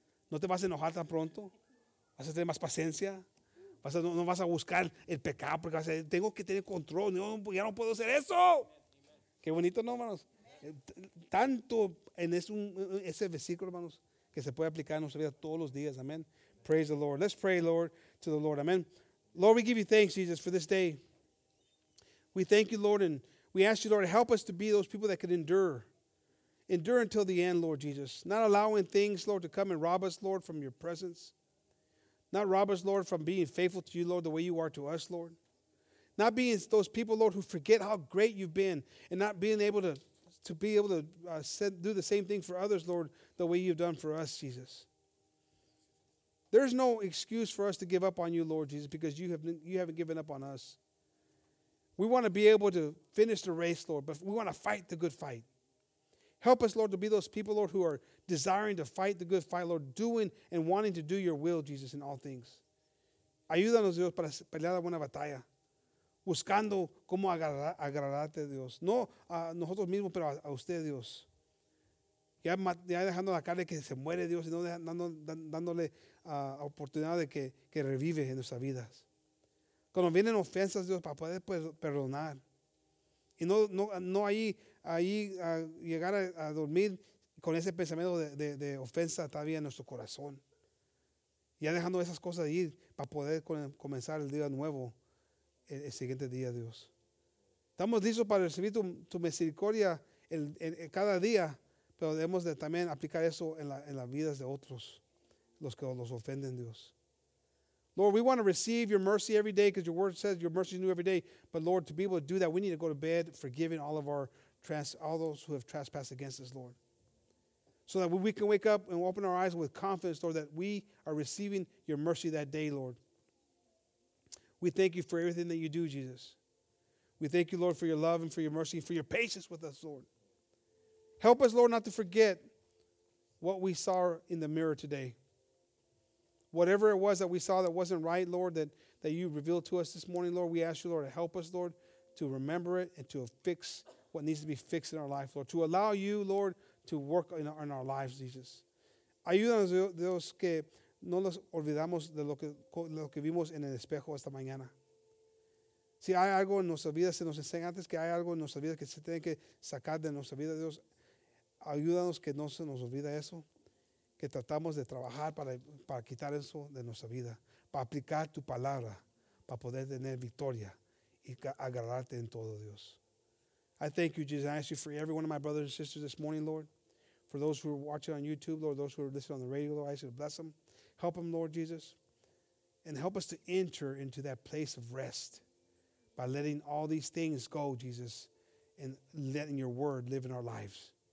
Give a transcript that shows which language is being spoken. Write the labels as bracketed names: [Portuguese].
[Spanish] No te vas a enojar tan pronto, vas a tener más paciencia, no vas a buscar el pecado, porque vas a decir, tengo que tener control, ya no puedo hacer eso. Qué bonito, ¿no, hermanos? Tanto en ese versículo, hermanos, que se puede aplicar en nuestra vida todos los días, amén. [English] Praise the Lord. Let's pray, Lord, to the Lord, amén. Lord, we give you thanks, Jesus, for this day. We thank you, Lord, and we ask you, Lord, to help us to be those people that can endure. Endure until the end, Lord Jesus. Not allowing things, Lord, to come and rob us, Lord, from your presence. Not rob us, Lord, from being faithful to you, Lord, the way you are to us, Lord. Not being those people, Lord, who forget how great you've been and not being able to do the same thing for others, Lord, the way you've done for us, Jesus. There's no excuse for us to give up on you, Lord Jesus, because you haven't given up on us. We want to be able to finish the race, Lord, but we want to fight the good fight. Help us, Lord, to be those people, Lord, who are desiring to fight the good fight, Lord, doing and wanting to do your will, Jesus, in all things. [Spanish] Ayúdanos, Dios, para pelear la buena batalla, buscando cómo agradarte, Dios. No a nosotros mismos, pero a usted, Dios. Ya dejando la carne que se muere, Dios, y no dándole oportunidad de que revive en nuestras vidas. Cuando vienen ofensas, Dios, para poder perdonar. Y no ahí llegar a dormir con ese pensamiento de ofensa todavía en nuestro corazón. Ya dejando esas cosas de ir para poder comenzar el día nuevo, el siguiente día, Dios. Estamos listos para recibir tu misericordia en cada día, pero debemos de también aplicar eso en las vidas de otros, los que los ofenden, Dios. [English] Lord, we want to receive your mercy every day because your word says your mercy is new every day. But Lord, to be able to do that, we need to go to bed forgiving all of all those who have trespassed against us, Lord. So that we can wake up and open our eyes with confidence, Lord, that we are receiving your mercy that day, Lord. We thank you for everything that you do, Jesus. We thank you, Lord, for your love and for your mercy and for your patience with us, Lord. Help us, Lord, not to forget what we saw in the mirror today. Whatever it was that we saw that wasn't right, Lord, that you revealed to us this morning, Lord, we ask you, Lord, to help us, Lord, to remember it and to fix what needs to be fixed in our life, Lord, to allow you, Lord, to work in our lives, Jesus. [Spanish] Ayúdanos, Dios, que no nos olvidamos de lo que vimos en el espejo esta mañana. Si hay algo en nuestra vida, se nos enseña antes que hay algo en nuestra vida que se tiene que sacar de nuestra vida, Dios, ayúdanos que no se nos olvide eso, que tratamos de trabajar para quitar eso de nuestra vida, para aplicar tu palabra, para poder tener victoria y agarrarte en todo, Dios. [English] I thank you, Jesus. I ask you for every one of my brothers and sisters this morning, Lord. For those who are watching on YouTube, Lord, those who are listening on the radio, Lord, I ask you to bless them. Help them, Lord Jesus. And help us to enter into that place of rest by letting all these things go, Jesus, and letting your word live in our lives.